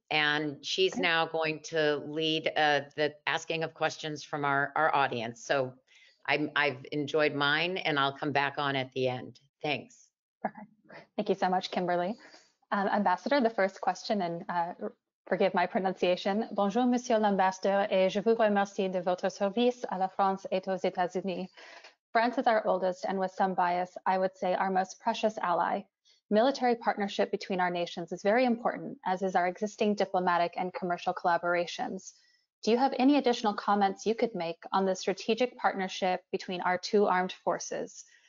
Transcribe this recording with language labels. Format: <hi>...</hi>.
<en>And she's now going to lead the asking of questions from our audience. So I've enjoyed mine, and I'll come back on at the end. Thanks. Perfect. Thank you so much, Kimberly. Ambassador, the first question, and forgive my pronunciation.</en> <fr>Bonjour, Monsieur l'Ambassadeur, et je vous remercie de votre service à la France et aux États-Unis.</fr> <en>France is our oldest, and with some bias, I would say our most precious ally. Military partnership between our nations is very important, as is our existing diplomatic and commercial collaborations. Do you have any additional comments you could make on the strategic partnership between our two armed forces?</en>